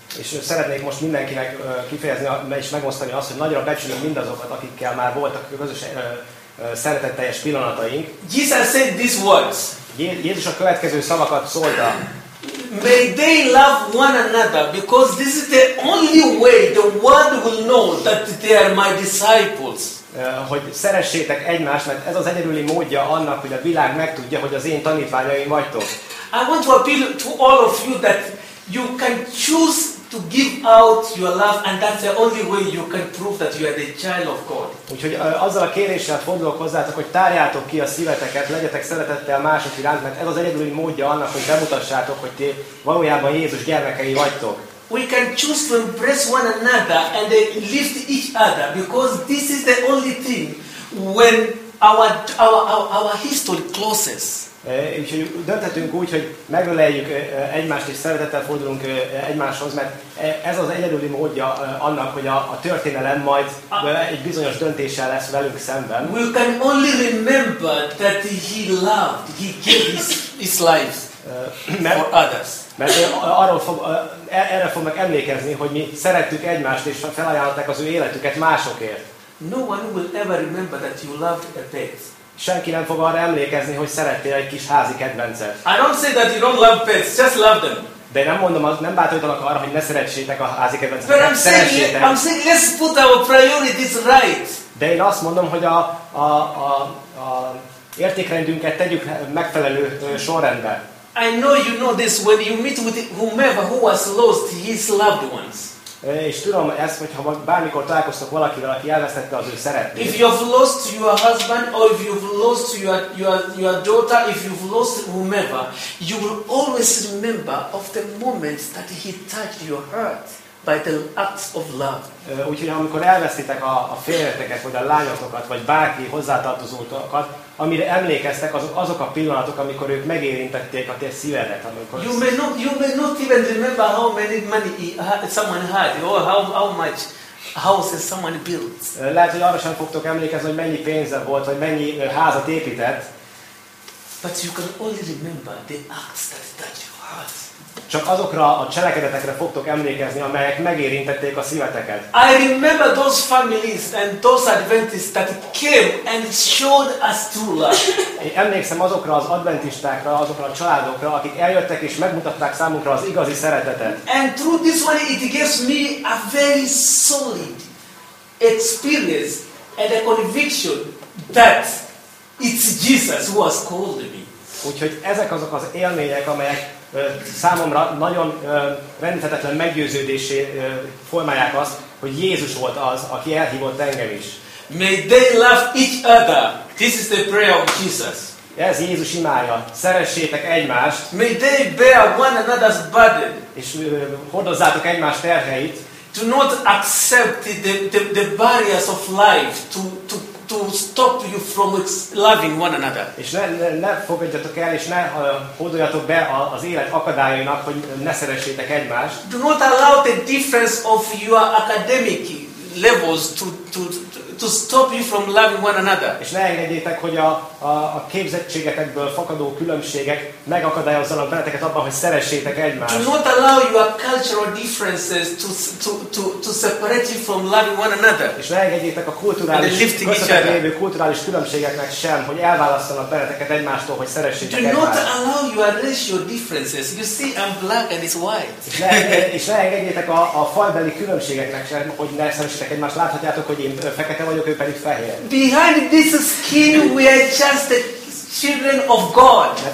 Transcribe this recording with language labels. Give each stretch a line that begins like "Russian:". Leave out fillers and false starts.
Hungarian: És szeretnék most mindenkinek kifejezni és megosztani azt, hogy nagyra becsülöm mindazokat, akikkel már voltak közös szeretetteljes pillanataink.
English: Jesus said these words.
Hungarian: Jézus a következő szavakat szólta.
English: May they love one another, because this is the only way the world will know that they are my disciples.
Hungarian: Hogy szeressétek egymást, mert ez az egyedüli módja annak, hogy a világ megtudja, hogy az én tanítványaim vagytok.
English: I want to appeal to all of you that you can choose to give out your love, and that's the only way you can prove that you are the child of God.
Hungarian: Úgyhogy azzal a kéréssel fordulok hozzátok, hogy tárjátok ki a szíveteket, legyetek szeretettel mások iránt, mert ez az egyedüli módja annak, hogy bemutassátok, hogy ti valójában Jézus gyermekei vagytok.
English: We can choose to embrace one another and lift each other, because this is the only thing when our history closes.
Hungarian: Úgyhogy dönthetünk úgy, hogy megöleljük egymást és szeretettel fordulunk egymáshoz, mert ez az egyedüli módja annak, hogy a történelem majd egy bizonyos döntéssel lesz velünk szemben.
English: We can only remember that he loved, he gave his life for others.
Hungarian: Mert erre fognak emlékezni, hogy mi szerettük egymást és felajánlották az ő életüket másokért.
English: No one will ever remember that you loved a pet.
Hungarian: Senki nem fog arra emlékezni, hogy szerettél egy kis házi kedvencet.
English: I don't say that you don't love pets, just love them.
Hungarian: De nem mondom, nem bátorítanak arra, hogy ne szeretsétek a házi kedvencet.
English: But I'm saying let's put our priorities right.
Hungarian: De én azt mondom, hogy a értékrendünket tegyük megfelelő sorrendbe.
English: I know you know this when you meet with whomever who has lost his loved ones.
Hungarian: És tudom ezt, hogy ha bármikor találkoztok valakivel, aki elvesztette az ő szeretnét.
English: If you've lost your husband, or if you've lost your daughter, if you've lost whomever, you will always remember of the moments that he touched your heart by the acts of love.
Hungarian: Úgyhogy amikor elvesztitek a férjeteket, vagy a lányokat, vagy bárki hozzátartozótokat, amire emlékeztek, azok a pillanatok, amikor ők megérintették a te szívedet, amikor.
English: You may not even remember how many money someone had, or how much houses someone built.
Hungarian: Lehet, hogy arra sem fogtok emlékezni, hogy mennyi pénze volt, vagy mennyi házat épített.
English: But you can only remember the acts that touched your heart.
Hungarian: csak azokra a cselekedetekre fogtok emlékezni, amelyek megérintették a szíveteket.
English: I remember those families and those Adventists that came and showed us true love.
Hungarian: Emlékszem azokra az adventistákra, azokra a családokra, akik eljöttek és megmutatták számunkra az igazi szeretetet.
English: And through this one it gives me a very solid experience and a conviction that it's Jesus who has called me.
Hungarian: Úgyhogy ezek azok az élmények, amelyek számomra nagyon rendíthetetlen meggyőződésé formálják azt, hogy Jézus volt az, aki elhívott engem is.
English: May they love each other. This is the prayer of Jesus.
Hungarian: Ez Jézus imája. Szeressétek egymást.
English: May they bear one another's burden.
Hungarian: És hordozzátok egymás terheit.
English: To not accept the barriers of life to stop you from loving one another.
Hungarian: És ne fogadjatok el, és ne hódoljatok be az élet akadályainak, hogy ne szeressétek egymást.
English: Do not allow the difference of your academic levels to stop you from loving one another.
Hungarian: És ne engedjétek, hogy a képzettségetekből fakadó különbségek megakadályozzanak benneteket abban, hogy szeressétek egymást.
English: Do not allow your cultural differences to separate you from loving one another.
Hungarian: És ne engedjétek a kulturális lévő kulturális különbségeknek sem, hogy elválasztanak benneteket egymástól, hogy szeressétek egymást.
English: Do not allow your racial differences. You see, I'm black and it's white.
Hungarian: És ne engedjétek a fajbeli különbségeknek sem, hogy ne szeressétek egymást. Láthatjátok, hogy én fekete vagyok, ő pedig fehér.
English: Behind this skin we are just the children of God.